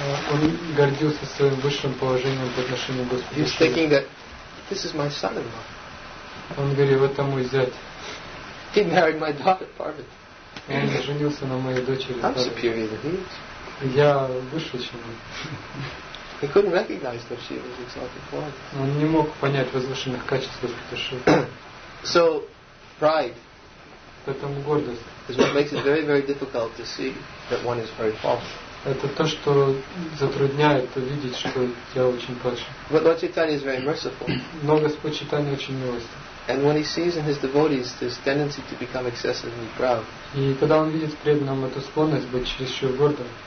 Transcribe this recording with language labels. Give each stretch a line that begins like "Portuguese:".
Russian: Он гордился своим высшим положением по отношению к Господу Шиве.
English: He was thinking that this is my son-in-law.
Russian: Он говорил, это мой зять.
English: He married my daughter Parvati.
Russian: Он женился на моей дочери
English: Parvati. I'm superior than he is.
Russian: Я выше, чем он.
English: He couldn't recognize Lord Shiva's exalted qualities.
Russian: Он не мог понять возвышенных качеств Господа Шивы.
English: So, pride.
Russian: Поэтому гордость.
English: Is what makes it very, very difficult to see that one is very false.
Russian: Это то, что затрудняет видеть, что я очень падший.
English: But Lord Chaitanya is very merciful.
Russian: Но Господь Чайтанья очень милостив.
English: And when he sees in his devotees this tendency to become excessively proud.
Russian: И когда он видит в преданном эту склонность быть чересчур гордым.